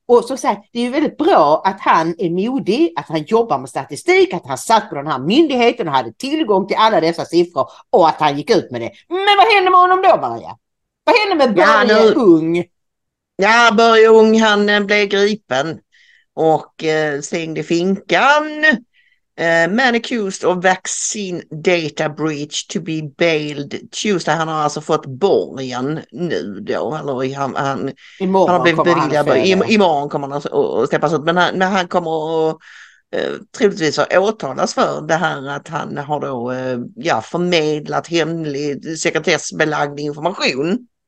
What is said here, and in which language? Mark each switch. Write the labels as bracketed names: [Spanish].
[Swedish] Och så säger, det är ju väldigt bra att han är modig, att han jobbar med statistik, att han satt på den här myndigheten och hade tillgång till alla dessa siffror och att han gick ut med det. Men vad händer med honom då, Maria? Vad händer med Börje Ung? Ja, Börje Ung, han blev gripen och slängde finkan. [English] Man accused of vaccine data breach to be bailed Tuesday. [Swedish] Han har alltså fått borgen nu då. Eller han har blivit beviljad. Imorgon kommer han att släppas ut. Men han kommer att troligtvis att åtalas för det här att han har då förmedlat hemlig sekretessbelagd information.